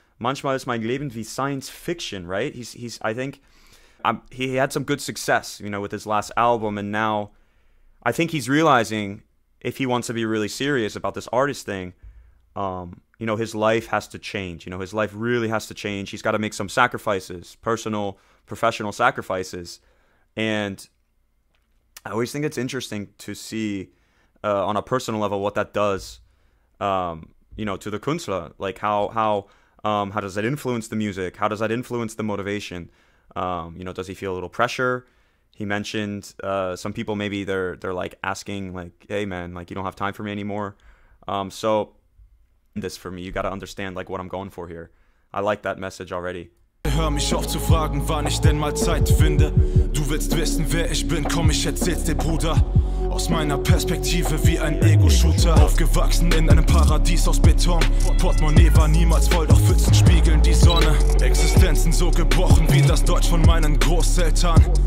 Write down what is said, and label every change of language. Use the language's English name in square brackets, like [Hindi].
[German] Manchmal ist mein Leben wie science fiction, right? [English] He's I think he had some good success, you know, with his last album. And now I think he's realizing if he wants to be really serious about this artist thing, you know, his life has to change. You know, his life really has to change. He's got to make some sacrifices, personal, professional sacrifices. And I always think it's interesting to see on a personal level what that does, you know, to the Künstler. Like how does that influence the music? How does that influence the motivation? You know, does he feel a little pressure? He mentioned some people, maybe they're like asking like, hey man, like you don't have time for me anymore. So this for me, you got to understand like what I'm going for here. I like that message already. [German] Hör mich auf zu fragen, wann ich denn mal Zeit finde. Du willst wissen, wer ich bin, komm, ich erzähl's dir, Bruder. Aus meiner Perspektive wie ein Ego-Shooter. Aufgewachsen in einem Paradies aus Beton. Portemonnaie war niemals voll, doch Pfützen spiegeln die Sonne. Existenzen so gebrochen wie das Deutsch von meinen Großeltern.